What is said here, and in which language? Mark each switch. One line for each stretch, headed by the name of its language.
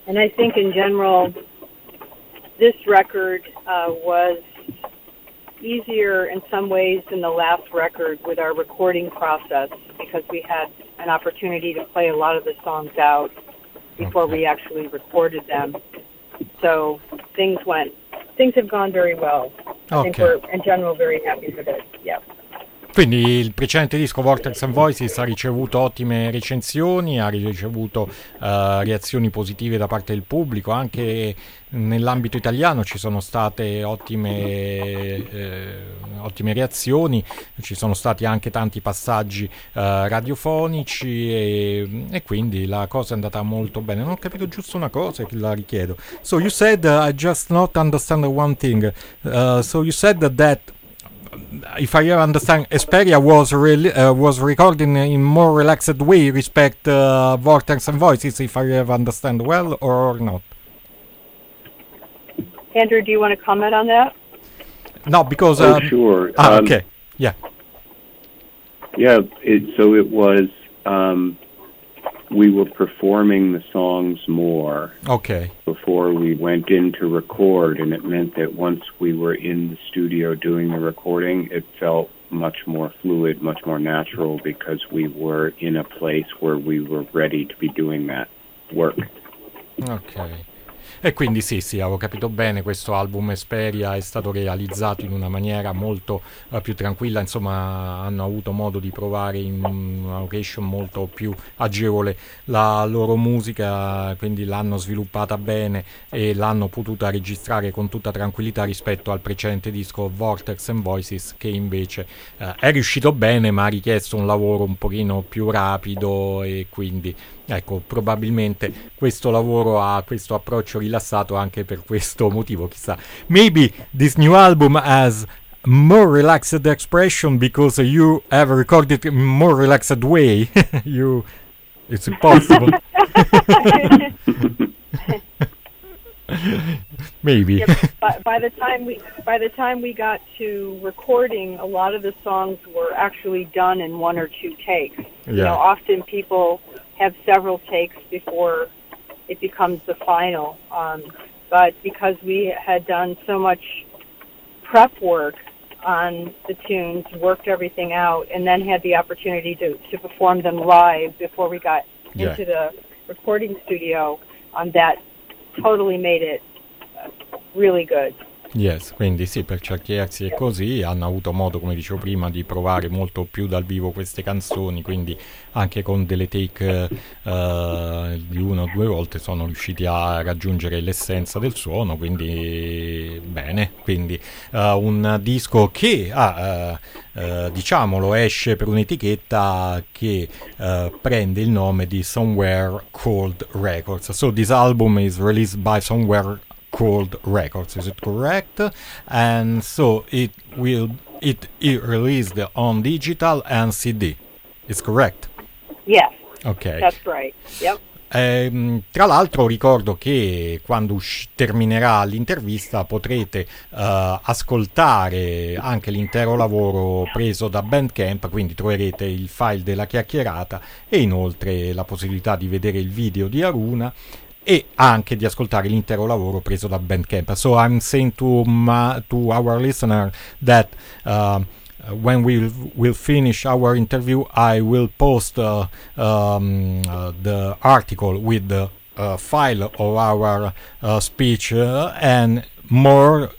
English: And I think in general, this record was easier in some ways than the last record with our recording process, because we had an opportunity to play a lot of the songs out before we actually recorded them. So things have gone very well. Okay. I think we're in general very happy with it. Yeah.
Italian: Quindi il precedente disco Vortex and Voices ha ricevuto ottime recensioni, ha ricevuto reazioni positive da parte del pubblico, anche nell'ambito italiano ci sono state ottime reazioni, ci sono stati anche tanti passaggi radiofonici e quindi la cosa è andata molto bene. Non ho capito giusto una cosa, che la richiedo.
English: So you said, I just not understand one thing, so you said that, if I understand, Esperia was was recording in more relaxed way respect Vortex and Voices, if I understand well or not. Andrew, do you want to comment on that? No, because... Sure. Okay, yeah. Yeah, it was... we were performing the songs more. Okay. Before we went in to record, and it meant that once we were in the studio doing the recording, it felt much more fluid, much more natural, because we were in a place where we were ready to be doing that work. Okay.
Italian: E quindi sì, avevo capito bene, questo album Esperia è stato realizzato in una maniera molto più tranquilla, insomma hanno avuto modo di provare in una location molto più agevole la loro musica, quindi l'hanno sviluppata bene e l'hanno potuta registrare con tutta tranquillità rispetto al precedente disco Vortex and Voices, che invece è riuscito bene ma ha richiesto un lavoro un pochino più rapido, e quindi ecco, probabilmente questo lavoro ha questo approccio rilassato anche per questo motivo, chissà.
English: Maybe this new album has more relaxed expression because you have recorded in more relaxed way. You, it's impossible. Maybe. Yeah, by the time we got to recording, a lot of the songs were actually done in one or two takes. Yeah. You know, often people have several takes before it becomes the final. But because we had done so much prep work on the tunes, worked everything out, and then had the opportunity to perform them live before we got into the recording studio, that totally made it really good.
Italian: Yes, quindi sì, per certi versi è così, hanno avuto modo, come dicevo prima, di provare molto più dal vivo queste canzoni, quindi anche con delle take di una o due volte sono riusciti a raggiungere l'essenza del suono, quindi bene, quindi un disco che diciamolo esce per un'etichetta che prende il nome di Somewhere Cold Records.
English: So this album is released by Somewhere Cold Records, is it correct? And so it released on digital and CD, is correct? Yes. Okay. That's right. Yep.
Italian: Tra l'altro ricordo che quando terminerà l'intervista potrete ascoltare anche l'intero lavoro preso da Bandcamp, quindi troverete il file della chiacchierata e inoltre la possibilità di vedere il video di Aruna e anche di ascoltare l'intero lavoro preso da Bandcamp.
English: So I'm saying to our listener that when we will finish our interview, I will post the article with the file of our speech and more.